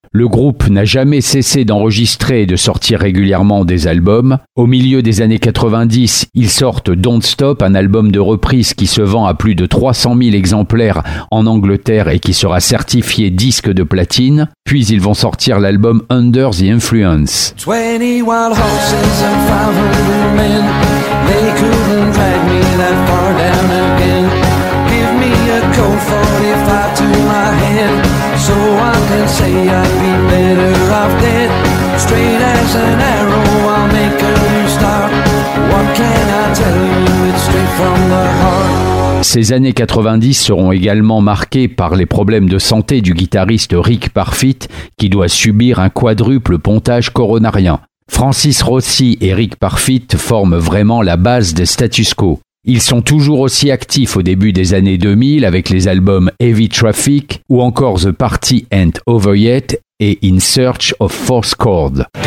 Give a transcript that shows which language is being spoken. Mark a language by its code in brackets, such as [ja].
[fr] Le groupe n'a jamais cessé d'enregistrer et de sortir régulièrement des albums. Au milieu des années 90, ils sortent Don't Stop, un album de reprise qui se vend à plus de 300 000 exemplaires en Angleterre et qui sera certifié disque de platine. Puis ils vont sortir l'album Under the Influence. [en] 20 wild horses and 500 men, they couldn't drag me that far down again. Give me a cold 45 to my head, so I can say I'd be better off dead. Straight as an arrow, I'll make a new start. What can I tell you, it's straight from the heart. [fr] Ces années 90 seront également marquées par les problèmes de santé du guitariste Rick Parfitt qui doit subir un quadruple pontage coronarien. Francis Rossi et Rick Parfitt forment vraiment la base des Status Quo. Ils sont toujours aussi actifs au début des années 2000 avec les albums Heavy Traffic ou encore The Party Ain't Over Yet et In Search of Fourth Chord.